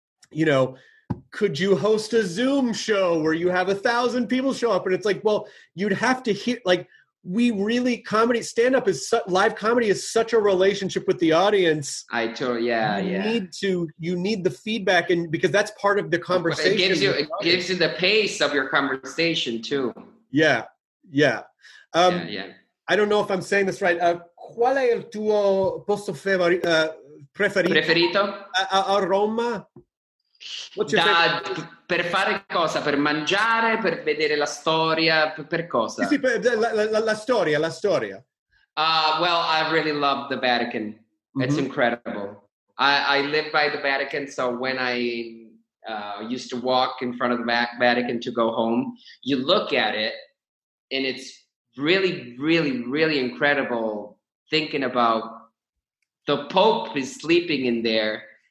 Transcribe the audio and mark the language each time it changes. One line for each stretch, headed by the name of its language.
English: you know, could you host a Zoom show where you have 1,000 people show up? And it's like, well, you'd have to hear, like, we really, comedy, stand-up is, live comedy is such a relationship with the audience. I totally, yeah, you need to, you need the feedback, and because that's part of the conversation. It gives you, it gives you the pace of your conversation too. Yeah, yeah. Yeah. I don't know if I'm saying this right.
Italian: Qual è il tuo posto preferito? Preferito? A Roma? Da, per fare cosa? Per mangiare? Per vedere la storia? Per cosa? Sì, sì, per, la storia, la storia.
English: Well, I really love the Vatican. Mm-hmm. It's incredible. I live by the Vatican, so when I used to walk in front of the Vatican to go home, you look at it, and it's really, really, really incredible thinking about the Pope is sleeping in there.